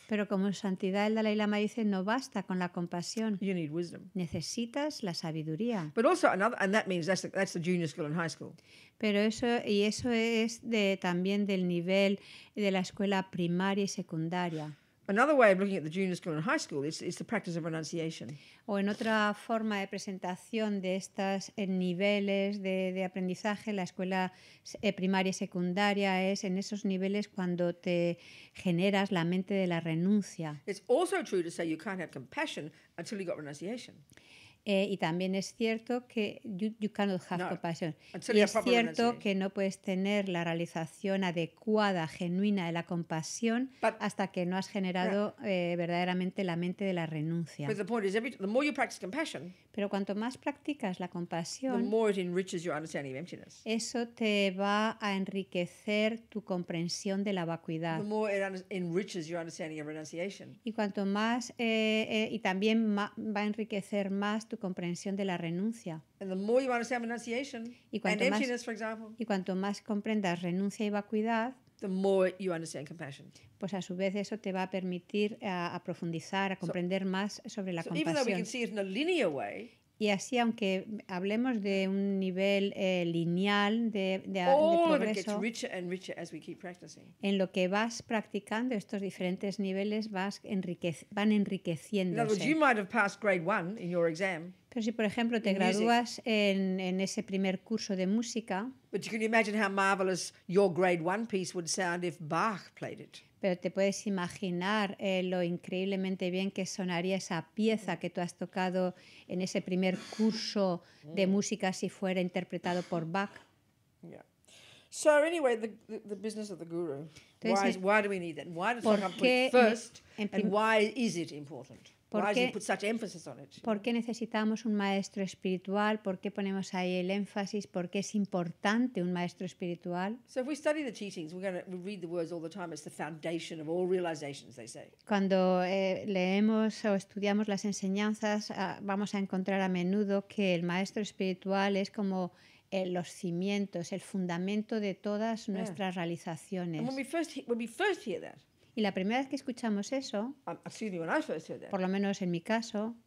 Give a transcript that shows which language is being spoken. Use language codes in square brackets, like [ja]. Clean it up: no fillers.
[es] Pero como Su Santidad el Dalai Lama dice, no basta con la compasión. [en] You need wisdom. [es] Necesitas la sabiduría. [en] But also another, and that means that's the junior school and high school. [es] Pero eso es también del nivel de la escuela primaria y secundaria. [en] Another way of looking at the junior school and high school is the practice of renunciation. [es] O en otra forma de presentación de estos niveles de aprendizaje, la escuela primaria y secundaria es en esos niveles cuando te generas la mente de la renuncia. [en] It's also true to say you can't have compassion until you got renunciation. [es] Y también es cierto que [en] you cannot have compassion. Until [es] y es cierto que no puedes tener la realización adecuada, genuina de la compasión hasta que no has generado verdaderamente la mente de la renuncia. [en] But the point is, the more you practice compassion, [es] pero cuanto más practicas la compasión, [en] the more it enriches your understanding of emptiness. [es] Eso te va a enriquecer tu comprensión de la vacuidad. [en] The more it enriches your understanding of renunciation. [es] Y cuanto más y también va a enriquecer más tu comprensión de la renuncia. [en] And the more you understand renunciation, and emptiness, for example, [es] y cuanto más comprendas renuncia y vacuidad, [en] the more you understand compassion. [es] Pues a su vez eso te va a permitir a profundizar, a comprender más sobre la compasión. [en] Even though we can see it in a linear way, [es] y así aunque hablemos de un nivel lineal de progreso, en lo que vas practicando estos diferentes niveles van enriqueciéndose. [en] In other words, you might have passed grade one in your exam. [es] Pero si, por ejemplo, te gradúas en ese primer curso de música. [en] But you can imagine how marvelous your grade one piece would sound if Bach played it. [es] Pero te puedes imaginar lo increíblemente bien que sonaría esa pieza que tú has tocado en ese primer curso de música si fuera interpretado por Bach. [en] Yeah. So anyway, the business of the guru. Why do we need that? Why does someone put it first? And why is it important? Why does he put such emphasis on it? [es] ¿Por qué necesitamos un maestro espiritual? ¿Por qué ponemos ahí el énfasis? ¿Por qué es importante un maestro espiritual? [en] So if we study the teachings, we read the words all the time. It's the foundation of all realizations, they say. [es] Cuando leemos o estudiamos las enseñanzas, vamos a encontrar a menudo que el maestro espiritual es como los cimientos, el fundamento de todas nuestras realizaciones. [en] And when we first hear that. [es] Y la primera vez que escuchamos eso, por lo menos en mi caso,